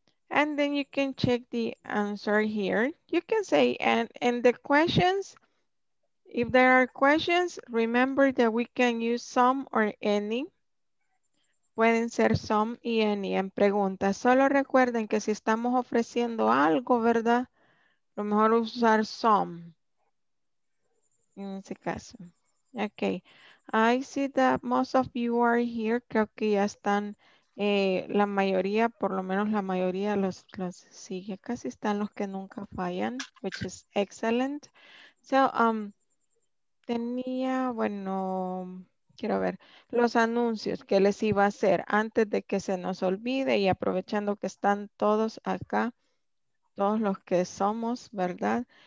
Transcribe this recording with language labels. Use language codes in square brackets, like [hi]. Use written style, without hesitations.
[en] And then you can check the answer here. You can say, and the questions, if there are questions, remember that we can use some or any. [es] Pueden ser some y any en preguntas. Solo recuerden que si estamos ofreciendo algo, ¿verdad? Lo mejor usar some. En ese caso. Okay. [en] I see that most of you are here. [es] Creo que ya están la mayoría, por lo menos la mayoría los sigue. Casi están los que nunca fallan, which is excellent. So, quiero ver los anuncios que les iba a hacer antes de que se nos olvide y aprovechando que están todos acá, todos los que somos, ¿verdad?